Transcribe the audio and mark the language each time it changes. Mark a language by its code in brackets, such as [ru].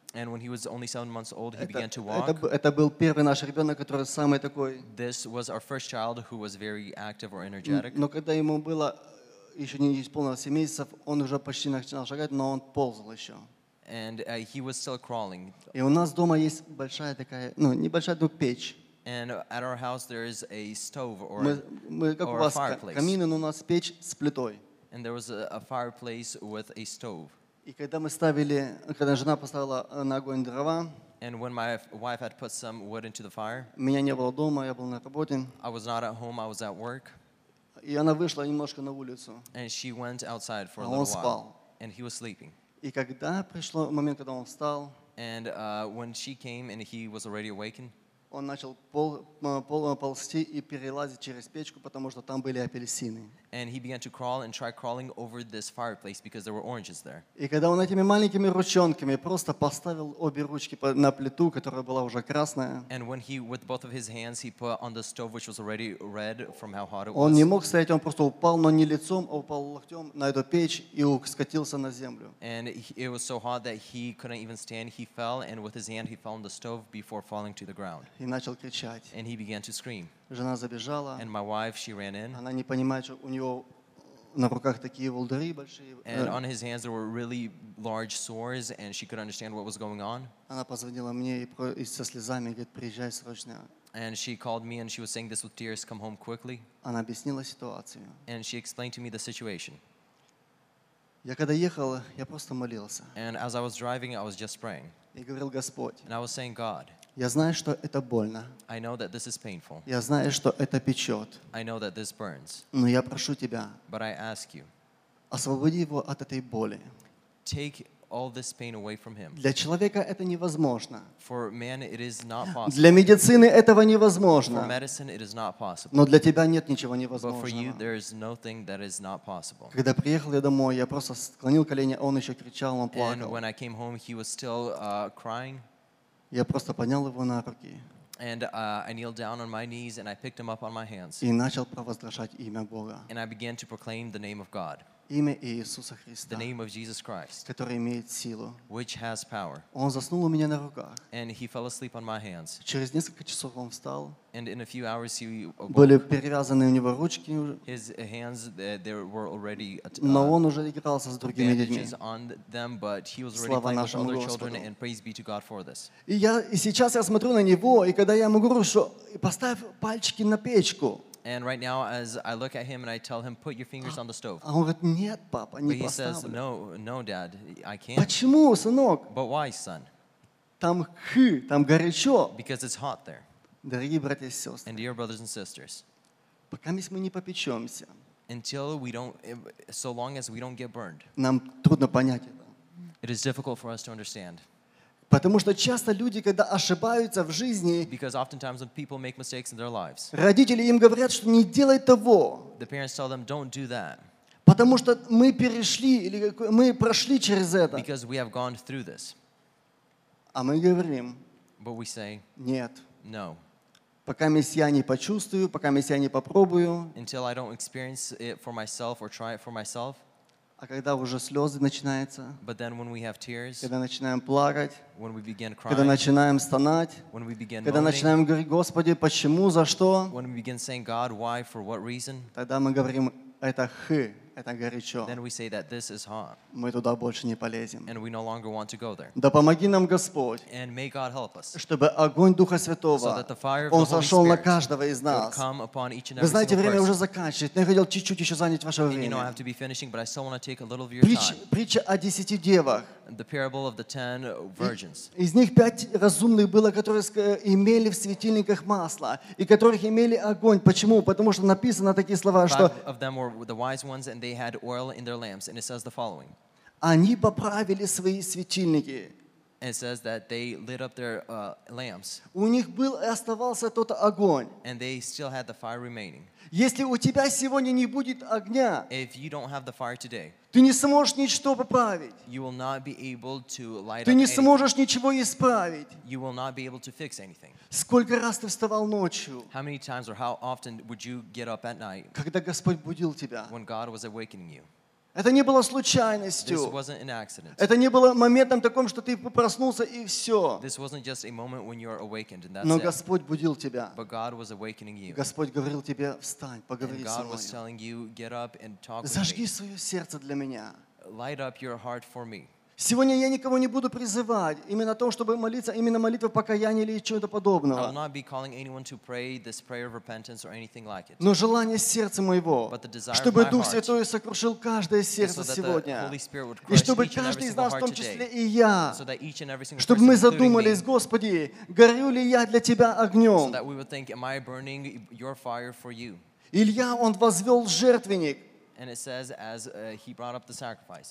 [en] And when he was only 7 months old, he began to walk. [ru] Это был первый наш ребенок, который самый такой. [en] This was our first child who was very active or energetic. [ru] Но когда ему было еще не исполнилось 7 месяцев, он уже почти начинал шагать, но он ползал еще. [en] And he was still crawling. [ru] И у нас дома есть большая такая, ну небольшая, но печь. [en] And at our house there is a stove or [ru] как у вас камин, но у нас печь с плитой. [en] And there was a fireplace with a stove. [ru] И когда мы ставили, когда жена поставила на огонь дрова, [en] and when my wife had put some wood into the fire, [ru] меня не было дома, я был на работе. [en] I was not at home, I was at work. [ru] И она вышла немножко на улицу. [en] And she went outside for а a little while. [ru] Он спал. [en] And he was sleeping. [ru] И когда пришло момент, когда он встал, [en] and when she came and he was already awakened, [ru] он начал ползти и перелазить через печку, потому что там были апельсины. [en] And he began to crawl and try crawling over this fireplace because there were oranges there. [ru] И когда он этими маленькими ручонками просто поставил обе ручки на плиту, которая была уже красная, [en] and when he, with both of his hands, he put on the stove, which was already red from how hot it was. [ru] Он не мог стоять, он просто упал, но не лицом, а упал локтем на эту печь и скатился на землю. [en] And it was so hot that he couldn't even stand. He fell, and with his hand, he fell on the stove before falling to the ground. [ru] И начал кричать. [en] And he began to scream. [ru] Жена забежала. [en] And my wife, she ran in. [ru] Она не понимает, что у него на руках такие волдыри большие. [en] And on his hands there were really large sores, and she couldn't understand what was going on. [ru] Она позвонила мне и со слезами говорит: «Приезжай срочно». [en] And she called me, and she was saying this with tears: «Come home quickly». [ru] Она объяснила ситуацию. [en] And she explained to me the situation. [ru] Я когда ехал, я просто молился. [en] And as I was driving, I was just praying. [ru] И говорил: «Господь». [en] And I was saying, God. [ru] Я знаю, что это больно. [en] I know that this is painful. [ru] Я знаю, что это печет. [en] I know that this burns. [ru] Но я прошу тебя. [en] But I ask you. [ru] Освободи его от этой боли. [en] Take all this pain away from him. [ru] Для человека это невозможно. [en] For man, it is not possible. [ru] Для медицины этого невозможно. [en] For medicine, it is not possible. [ru] Но для тебя нет ничего невозможного. [en] But for you, there is nothing that is not possible. [ru] Когда приехал я домой, я просто склонил колени, а он еще кричал, он плакал. [en] And when I came home, he was still crying. [ru] Я просто поднял его на руки. [en] And I kneeled down on my knees and I picked him up on my hands. [ru] И начал провозглашать имя Бога. [en] And I began to proclaim the name of God. [ru] Имя Иисуса Христа. [en] The name of Jesus Christ. [ru] Который имеет силу. [en] Which has power. [ru] Он заснул у меня на руках. [en] And he fell asleep on my hands. [ru] Через несколько часов он встал. [en] And in a few hours he awoke. [ru] Были перевязаны у него ручки. [en] His hands there were already. [ru] Но он уже игрался с другими детьми. [en] Bandages on them, but he was already playing with other children. And praise be to God for this. [ru] И сейчас я смотрю на него, и когда я ему говорю, что поставь пальчики на печку. [en] And right now, as I look at him and I tell him, put your fingers on the stove. [ru] Он говорит, нет, папа, не [en] But he [ru] поставлю. [en] Says, no, Dad, I can't. [ru] Почему, сынок? [en] But why, son? [ru] Там хы, там горячо. [en] Because it's hot there. [ru] Дорогие братья и сестры. [en] And dear brothers and sisters. [ru] Пока мы не попечемся. [en] Until we don't, so long as we don't get burned. [ru] Нам трудно понять это. [en] It is difficult for us to understand. [ru] Потому что часто люди, когда ошибаются в жизни, [en] because oftentimes when people make mistakes in their lives, [ru] родители им говорят, что не делай того. [en] The parents tell them, don't do that. [ru] Потому что мы перешли или мы прошли через это. [en] Because we have gone through this. [ru] А мы говорим, [en] but we say, [ru] нет. [en] No. [ru] Пока я не почувствую, пока я не попробую. [en] Until I don't experience it for myself or try it for myself. [ru] А когда уже слезы начинаются, [en] but then when we have tears, [ru] когда начинаем плакать, [en] when we begin crying, [ru] когда начинаем стонать, [en] when we begin [ru] когда [en] moaning, [ru] начинаем говорить, Господи, почему, за что, [en] when we begin saying, God, why, for what reason, [ru] тогда мы говорим, это хы. это горячо. [en] Then we say that this is hot. [ru] Мы туда больше не полезем. [en] And we no longer want to go there. [ru] Да помоги нам, Господь. [en] And may God help us. [ru] Чтобы огонь Духа Святого, [en] so that the fire of [ru] Он сошел на каждого из нас. [en] Will come upon each and every [ru] Вы знаете, время уже заканчивается. Но я хотел чуть-чуть еще занять ваше время. [en] And you know I have to be finishing, but I still want to take a little of your time. [ru] Притча о десяти девах. [en] The parable of the ten virgins. [ru] Из них пять разумных было, которые имели в светильниках масло, и которых имели огонь. Почему? Потому что написано такие слова, что [en] five of them were the wise ones, and they had oil in their lamps. And it says the following. [ru] Они поправили свои светильники. [en] And it says that they lit up their lamps. [ru] У них был и оставался тот огонь. [en] And they still had the fire remaining. [ru] Если у тебя сегодня не будет огня, [en] if you don't have the fire today, [ru] ты не сможешь ничего поправить. [en] You will not be able to light [ru] ты [en] up [ru] не сможешь [en] anything. [ru] Ничего исправить. [en] You will not be able to fix anything. [ru] Сколько раз ты вставал ночью? [en] How many times or how often would you get up at night? [ru] Когда Господь будил тебя? [en] When God was awakening you. [ru] Это не было случайностью. [en] This wasn't an accident. [ru] Это не было моментом таком, что ты проснулся и все. [en] This wasn't just a moment when you are awakened and that's [ru] it. Но Господь будил тебя. [en] But God was awakening you. [ru] Господь говорил тебе, встань, поговори со мной. [en] God was telling you, get up and talk with me. [ru] Зажги свое сердце для меня. [en] Light up your heart for me. [ru] Сегодня я никого не буду призывать именно о том, чтобы молиться, именно молитва покаяния или чего-то подобного. [en] I will not be calling anyone to pray this prayer of repentance or anything like it. [ru] Но желание сердца моего, чтобы Дух Святой сокрушил каждое сердце сегодня, и чтобы каждый из нас, в том числе и я, чтобы мы задумались, Господи, горю ли я для Тебя огнем? [en] So that we would think, am I burning Your fire for You? [ru] Илья, он возвел жертвенник. [en] And it says, as he brought up the sacrifice.